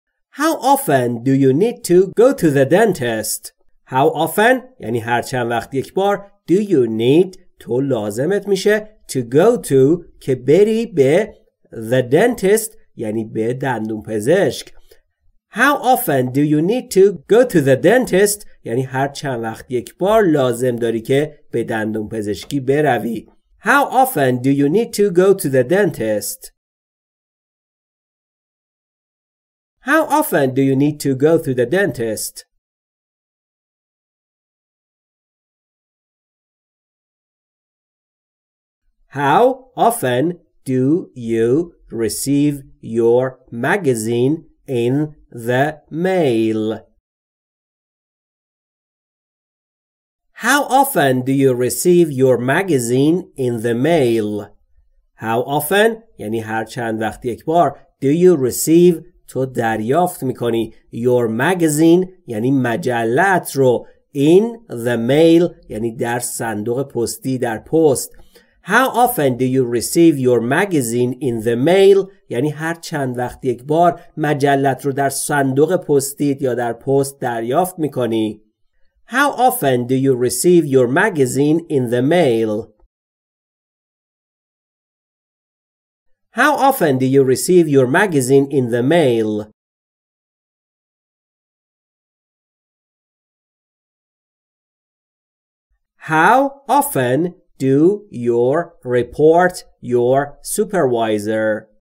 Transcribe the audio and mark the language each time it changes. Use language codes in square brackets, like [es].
[en] How often do you need to go to the dentist? How often, [fa] یعنی هر چند وقت یک بار, [en] do you need, [fa] تو لازمت میشه, [en] to go to, [fa] که بری به [en] the dentist, [fa] یعنی به دندون پزشک. [en] How often do you need to go to the dentist? [fa] یعنی هر چند وقت یک بار لازم داری که به دندون پزشکی بروی. [en] How often do you need to go to the dentist? How often do you need to go to the dentist? How often do you receive your magazine in the mail? How often do you receive your magazine in the mail? How often, [fa] یعنی هر چند وقت یک بار, [en] do you receive, [fa] تو دریافت میکنی, [en] your magazine, [fa] یعنی مجلت رو, [en] in the mail, [fa] یعنی در صندوق پستی, در پست. [en] How often do you receive your magazine in the mail? [fa] یعنی هر چند وقت یک بار مجلت رو در صندوق پستیت یا در پست دریافت میکنی؟ [en] How often do you receive your magazine in the mail? How often do you receive your magazine in the mail? How often do your report your supervisor?